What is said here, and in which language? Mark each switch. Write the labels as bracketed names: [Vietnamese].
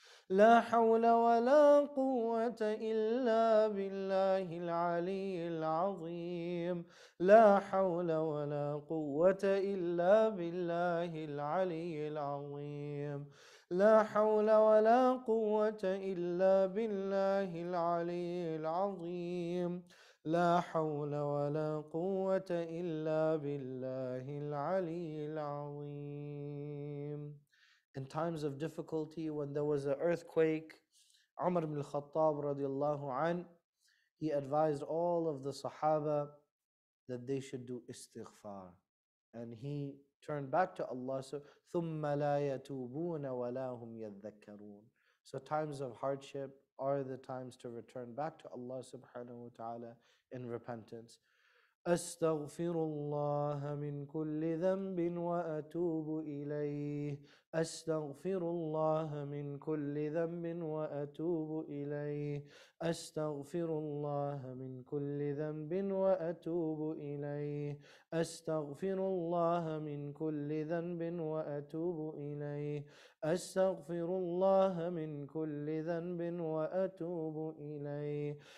[Arabic] لا حول ولا قوة إلا بالله العلي العظيم لا حول ولا قوة إلا بالله العلي العظيم لا حول ولا قوة إلا بالله العلي العظيم لا حول ولا قوة إلا بالله العلي العظيم. [English] In times of difficulty, when there was an earthquake, Umar ibn al-Khattab radiallahu an, he advised all of the Sahaba that they should do istighfar. And he turned back to Allah. [Arabic] So, ثُمَّ لَا يَتُوبُونَ وَلَا هُمْ يَذَّكَّرُونَ. [English] So times of hardship are the times to return back to Allah subhanahu wa ta'ala in repentance. [Arabic] أستغفر الله من كل ذنب وأتوب إليه أستغفر الله من كل ذنب وأتوب إليه أستغفر الله من كل ذنب وأتوب إليه أستغفر الله من كل ذنب وأتوب إليه أستغفر الله من كل ذنب وأتوب إليه